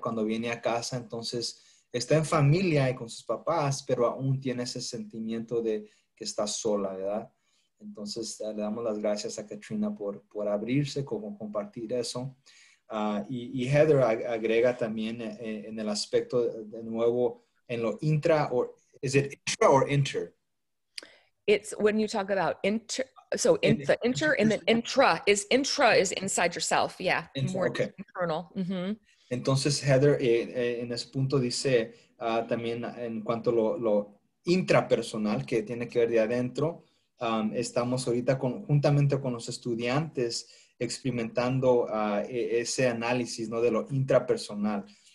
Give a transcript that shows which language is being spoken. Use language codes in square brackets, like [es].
[es] Cuando viene a casa, entonces está en familia y con sus papás, pero aún tiene ese sentimiento de que está sola, ¿verdad? Entonces, le damos las gracias a Katrina por abrirse, como compartir eso. Y Heather agrega también en el aspecto de nuevo, en lo intra, [en] or is it intra or inter? It's when you talk about inter, so the inter and the intra, is inside yourself, yeah. Okay. Internal. Mm-hmm. [es] Entonces, Heather en ese punto dice también en cuanto a lo intrapersonal, que tiene que ver de adentro, estamos ahorita juntamente con los estudiantes experimentando ese análisis, ¿no?, de lo intrapersonal.